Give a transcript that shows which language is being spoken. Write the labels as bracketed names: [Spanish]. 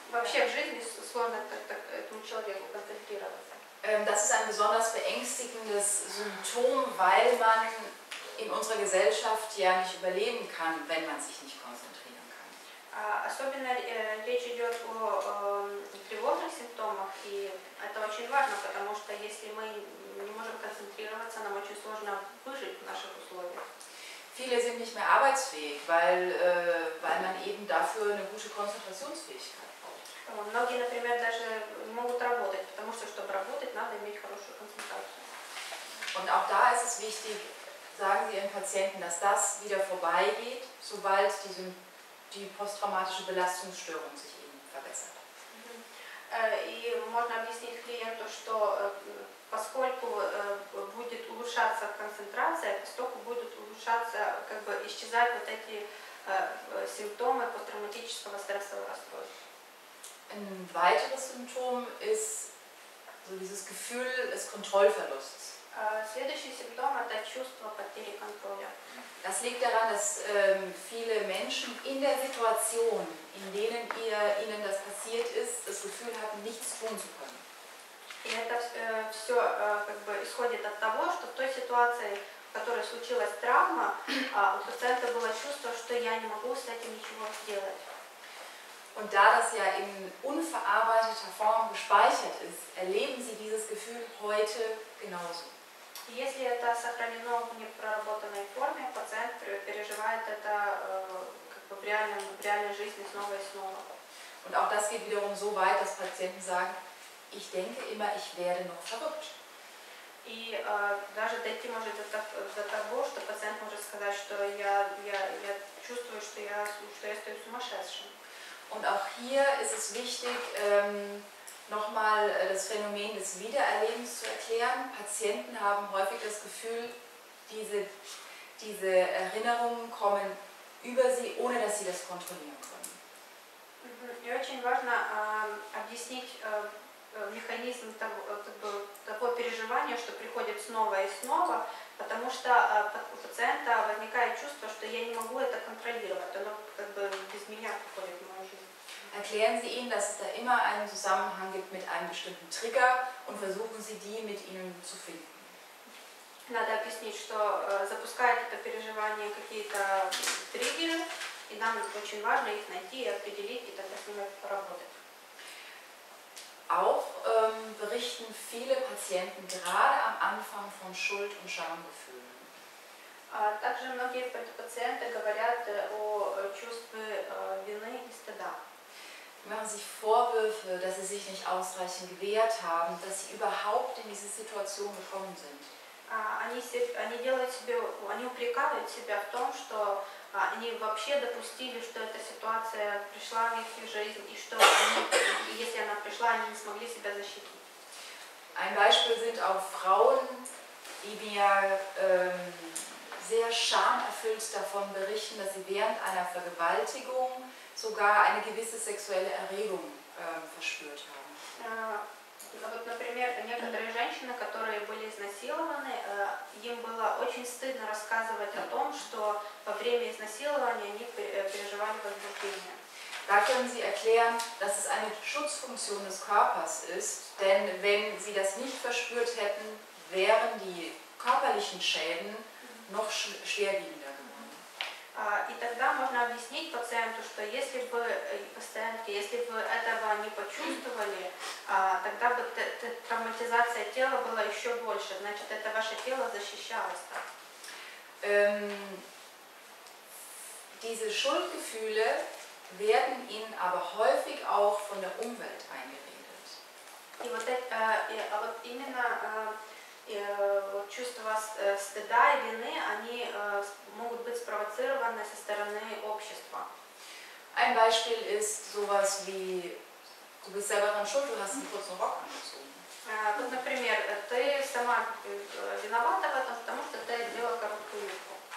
[Russian] Вообще в жизни сложно этому человеку концентрироваться. [German] Das ist ein besonders beängstigendes Symptom, weil man in unserer Gesellschaft ja nicht überleben kann, wenn man sich nicht konzentrieren kann. [Russian] Особенно речь идет о тревожных симптомах, и это очень важно, потому что если мы не можем концентрироваться, нам очень сложно выжить в наших условиях. [German] Viele sind nicht mehr arbeitsfähig, weil man eben dafür eine gute Konzentrationsfähigkeit braucht. [Russian] Многие, например, даже могут работать, потому что, чтобы работать, надо иметь хорошую концентрацию. [German] Und auch da ist es wichtig, sagen Sie Ihren Patienten, dass das wieder vorbeigeht, sobald die posttraumatische Belastungsstörung sich eben verbessert. [Russian] И можно объяснить клиенту, что поскольку будет улучшаться концентрация, поскольку будут улучшаться, как бы исчезают вот эти симптомы посттравматического стрессового расстройства. [German] Ein weiteres Symptom ist so dieses Gefühl des Kontrollverlusts. [Russian] Следующий симптом – это чувство потери контроля. [German] Das liegt daran, dass viele Menschen in der Situation, in denen ihnen das passiert ist, das Gefühl haben, nichts tun zu können. [Russian] И это все как бы исходит от того, что в той ситуации, в которой случилась травма, у пациента было чувство, что я не могу с этим ничего сделать. [German] Und da das ja in unverarbeiteter Form gespeichert ist, erleben Sie dieses Gefühl heute genauso. [Russian] Если это сохранено в непроработанной форме, пациент переживает это как бы в реальной жизни снова и снова. [German] Und auch das geht wiederum so weit, dass Patienten sagen: Ich denke immer, ich werde noch verrückt. [Russian] И даже дойти может до того, что пациент может сказать, что я чувствую, что я стою сумасшедшим. [German] Und auch hier ist es wichtig, nochmal das Phänomen des Wiedererlebens zu erklären. Patienten haben häufig das Gefühl, diese Erinnerungen kommen über sie, ohne dass sie das kontrollieren können. [Russian] И очень важно объяснить механизм такого переживания, что приходит снова и снова, потому что у пациента возникает чувство, что я не могу это контролировать, оно как бы без меня приходит в мою жизнь. [German] Erklären Sie ihnen, dass es da immer einen Zusammenhang gibt mit einem bestimmten Trigger und versuchen Sie die mit ihnen zu finden. [Russian] Надо объяснить, что запускает это переживание какие-то триггеры, и нам очень важно их найти и определить, и тогда с ними поработать. [German] Auch berichten viele Patienten gerade am Anfang von Schuld- und Schamgefühlen. [Russian] Также многие пациенты говорят о чувстве вины и стыда. [German] Sie machen sich Vorwürfe, dass sie sich nicht ausreichend gewehrt haben, dass sie überhaupt in diese Situation gekommen sind. [Russian] Они упрекают себя в том, что они вообще допустили, что эта ситуация пришла в их жизнь, и что они, если она пришла, они не смогли себя защитить. [German] Ein Beispiel sind auch Frauen, die mir sehr schamerfüllt davon berichten, dass sie während einer Vergewaltigung sogar eine gewisse sexuelle Erregung verspürt haben. [Russian] Вот, например, некоторые женщины, которые были изнасилованы, им было очень стыдно рассказывать о том, что во время изнасилования они переживали возбуждение. [German] Da können Sie erklären, dass es eine Schutzfunktion des Körpers ist, denn wenn Sie das nicht verspürt hätten, wären die körperlichen Schäden noch schwerwiegender geworden. [Russian] И тогда можно объяснить пациенту, что если бы пациентке, если бы этого не почувствовали, тогда бы травматизация тела была еще больше. Значит, это ваше тело защищалось так. [German] Diese Schuldgefühle werden ihnen aber häufig auch von der Umwelt eingeredet. [Russian] И вот это, а вот именно чувство стыда и вины, они могут быть спровоцированы со стороны общества. [German] Ein Beispiel ist sowas wie, du bist selber dran schuld, du hast einen kurzen Rock angezogen. [Russian] Например, ты сама виновата в этом, потому что ты одела короткую юбку.